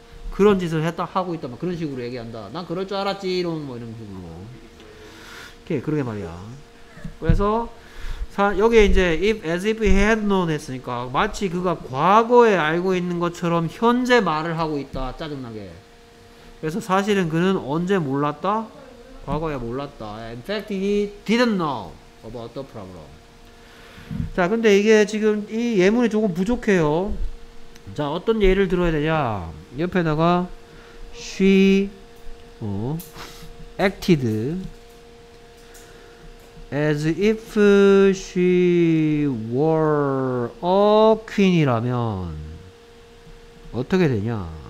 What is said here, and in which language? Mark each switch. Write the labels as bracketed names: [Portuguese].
[Korean] 그런 짓을 했다 하고 있다 막 그런 식으로 얘기한다. 난 그럴 줄 알았지 이런 뭐 이런 식으로. 오케이, 그러게 말이야. 그래서 여기에 이제 [English] if as if he had known [Korean] 했으니까 마치 그가 과거에 알고 있는 것처럼 현재 말을 하고 있다. 짜증나게. 그래서 사실은 그는 언제 몰랐다? 과거에 몰랐다. [English] In fact, he didn't know about the problem. [Korean] 자, 근데 이게 지금 이 예문이 조금 부족해요. 자, 어떤 예를 들어야 되냐? 옆에다가 [English] she acted as if she were a queen이라면 [Korean] 어떻게 되냐?